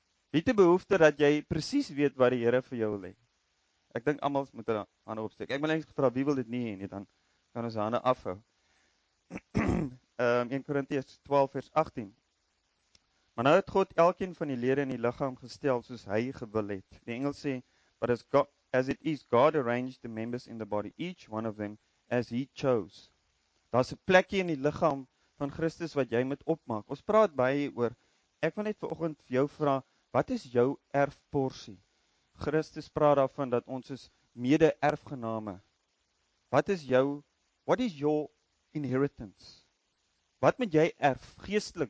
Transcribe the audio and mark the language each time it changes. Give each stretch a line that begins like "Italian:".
Afrikaans: Wie het 'n behoefte dat jy presies weet wat die Here vir jou wil hê? Ek dink almal moet hulle hande opsteek. Ek wil net vra wie wil dit nie en dan kan ons hande afhou. 1 Korintiërs 12 vers 18. Maar nou het God elkeen van die lede in die liggaam gestel soos hy gewil het. Die Engels sê,
English: but as it is God arranged the members in the body, each one of them as he chose.
Afrikaans: Daar's 'n plekkie in die liggaam van Christus wat jy moet opmaak. Ons praat baie oor, ek wil net vanoggend vir jou vra, wat is jou erfporsie? Christus praat daarvan dat ons is mede-erfgename.
English: What is your inheritance?
Afrikaans: Wat moet jy erf geestelik?